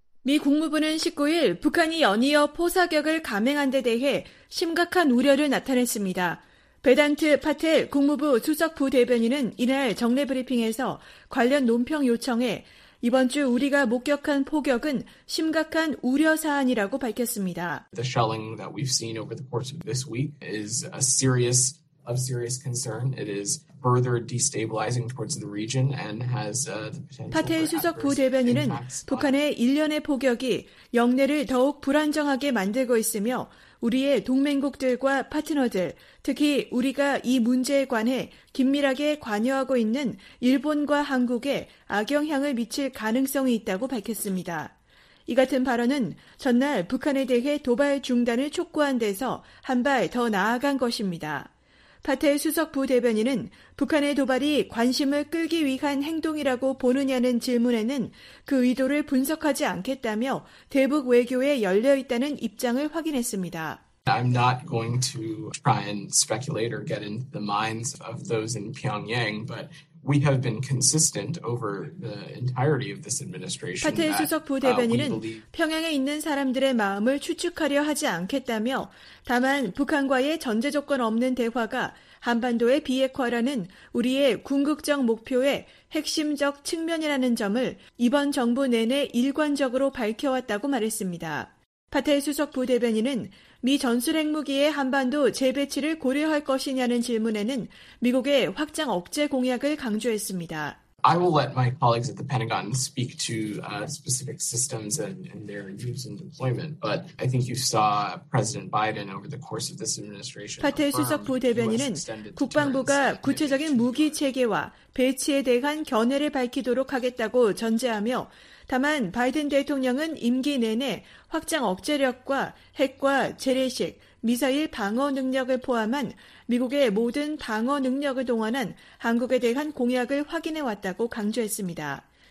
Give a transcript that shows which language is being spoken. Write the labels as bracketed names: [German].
[Korean] 미 국무부는 19일 북한이 연이어 포사격을 감행한 데 대해 심각한 우려를 나타냈습니다. 베단트 파텔 국무부 수석 부대변인은 이날 정례 브리핑에서 관련 논평 요청에 이번 주 우리가 목격한 포격은 심각한 우려 사안이라고 밝혔습니다. [English] The shelling that we've seen over the course of this week is a serious of serious concern. It is further destabilizing towards the region and has the potential. [Korean] 파텔 수석 부대변인은 북한의 일련의 포격이 영내를 더욱 불안정하게 만들고 있으며 우리의 동맹국들과 파트너들, 특히 우리가 이 문제에 관해 긴밀하게 관여하고 있는 일본과 한국에 악영향을 미칠 가능성이 있다고 밝혔습니다. 이 같은 발언은 전날 북한에 대해 도발 중단을 촉구한 데서 한 발 더 나아간 것입니다. 파텔 수석 부대변인은 북한의 도발이 관심을 끌기 위한 행동이라고 보느냐는 질문에는 그 의도를 분석하지 않겠다며 대북 외교에 열려 있다는 입장을 확인했습니다. [English] I'm not going to try and speculate or get into the minds of those in Pyongyang, but we have been consistent over the entirety of this administration. [Korean] 파텔 수석 부대변인은 평양에 있는 사람들의 마음을 추측하려 하지 않겠다며 다만 북한과의 전제 조건 없는 대화가 한반도의 비핵화라는 우리의 궁극적 목표의 핵심적 측면이라는 점을 이번 정부 내내 일관적으로 밝혀왔다고 말했습니다. 파텔 수석 부대변인은 미 전술 핵무기의 한반도 재배치를 고려할 것이냐는 질문에는 미국의 확장 억제 공약을 강조했습니다. [English] I will let my colleagues at the Pentagon speak to specific systems and their use and deployment, but I think you saw President Biden over the course of this administration. [Korean] 파텔 수석 부대변인은 국방부가 구체적인 무기 체계와 배치에 대한 견해를 밝히도록 하겠다고 전제하며 다만 바이든 대통령은 임기 내내 확장 억제력과 핵과 재래식, 미사일 방어 능력을 포함한 미국의 모든 방어 능력을 동원한 한국에 대한 공약을 확인해왔다고 강조했습니다.